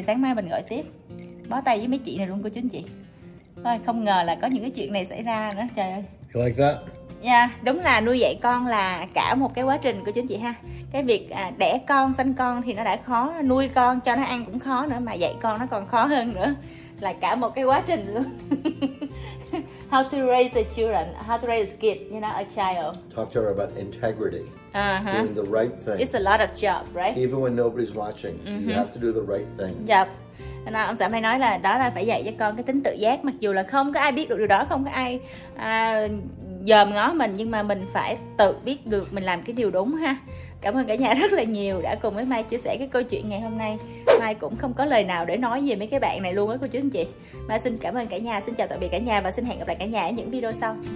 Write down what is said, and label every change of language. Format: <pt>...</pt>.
<vi>Thì sáng mai mình gọi tiếp, bó tay với mấy chị này luôn cô chú anh chị. Thôi không ngờ là có những cái chuyện này xảy ra nữa, trời ơi.</vi> <en>Like that.</en> <vi>Yeah, đúng là nuôi dạy con là cả một cái quá trình của chính chị ha. Cái việc đẻ con, sanh con thì nó đã khó, nuôi con cho nó ăn cũng khó nữa, mà dạy con nó còn khó hơn nữa, là cả một cái quá trình luôn.</vi> <en>How to raise a children, how to raise a kid, you know, a child. Talk to her about integrity, uh-huh. Doing the right thing. It's a lot of job, right? Even when nobody's watching, mm-hmm. You have to do the right thing. Yep.</en> <vi>Nên ông xã Mai nói là đó là phải dạy cho con cái tính tự giác, mặc dù là không có ai biết được điều đó, không có ai dòm ngó mình, nhưng mà mình phải tự biết được mình làm cái điều đúng ha. Cảm ơn cả nhà rất là nhiều đã cùng với Mai chia sẻ cái câu chuyện ngày hôm nay. Mai cũng không có lời nào để nói về mấy cái bạn này luôn á cô chú anh chị. Mai xin cảm ơn cả nhà, xin chào tạm biệt cả nhà và xin hẹn gặp lại cả nhà ở những video sau.</vi>